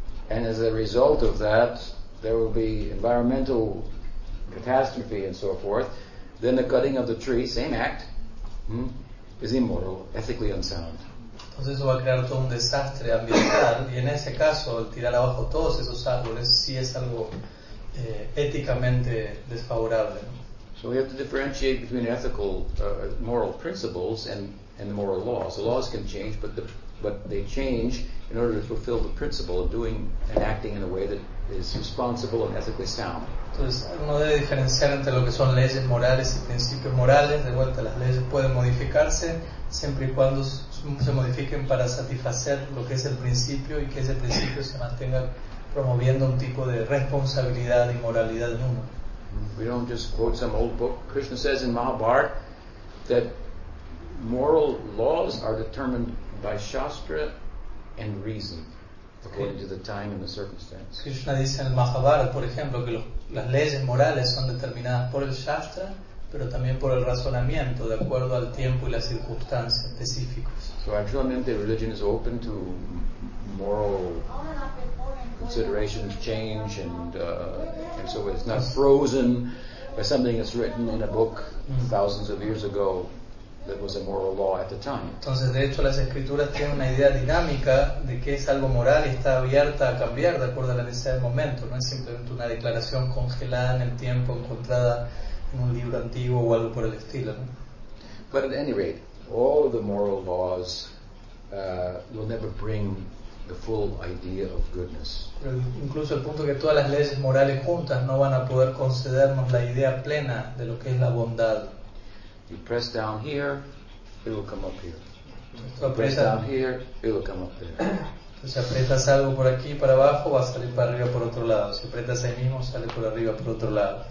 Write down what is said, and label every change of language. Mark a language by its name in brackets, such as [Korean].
[English] And as a result of that, there will be environmental catastrophe and so forth. Then the cutting of the tree, same act, is immoral, ethically unsound. [Spanish] Entonces eso va a crear todo un desastre ambiental, y en ese caso el tirar abajo todos esos árboles sí es algo éticamente desfavorable, ¿no? [English] So we have to differentiate between ethical moral principles and the moral laws. The laws can change, but they change in order to fulfill the principle of doing and acting in a way that is responsible and ethically sound. [Spanish] Entonces, uno debe diferenciar entre lo que son leyes morales y principios morales. De vuelta, las leyes pueden modificarse siempre y cuando se modifiquen para satisfacer lo que es el principio, y que ese principio se mantenga promoviendo un tipo de responsabilidad y moralidad en uno. [English] We don't just quote some old book. Krishna says in Mahabharata that moral laws are determined by Shastra and reason, according to the time and the circumstance. [Spanish] Krishna dice en Mahabharata, por ejemplo, que las leyes morales son determinadas por el Shastra, pero también por el razonamiento, de acuerdo al tiempo y las circunstancias específicas. [English] So actually, religion is open to moral considerations change, and so it's not frozen by something that's written in a book thousands of years ago that was a moral law at the time. [Spanish] Entonces, de hecho, las escrituras tienen una idea dinámica de que es algo moral y está abierta a cambiar de acuerdo a la necesidad del momento. No es simplemente una declaración congelada en el tiempo encontrada en un libro antiguo o algo por el estilo, ¿no? [English] But at any rate, all of the moral laws will never bring the full idea of goodness. [Spanish] Pero incluso el punto que todas las leyes morales juntas no van a poder concedernos la idea plena de lo que es la bondad. [English] You press down here, it will come up here. You press down here, it will come up there. [Spanish] Entonces, si aprietas algo por aquí para abajo, va a salir para arriba por otro lado. Si aprietas ahí mismo, sale por arriba por otro lado.